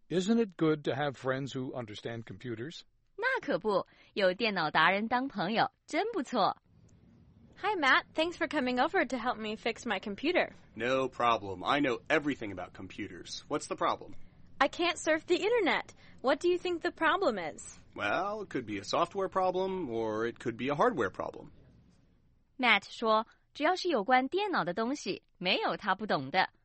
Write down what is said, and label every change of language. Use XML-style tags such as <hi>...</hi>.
<en>Isn't it good to have friends who understand computers?</en> <zh>那可不，有电脑达人当朋友，真不错。</zh> <en>Hi, Matt. Thanks for coming over to help me fix my computer. No problem. I know everything about computers. What's the problem? I can't surf the internet. What do you think the problem is? Well, it could be a software problem, or it could be a hardware problem.</en> <zh>Matt 说，只要是有关电脑的东西，没有他不懂的。</zh>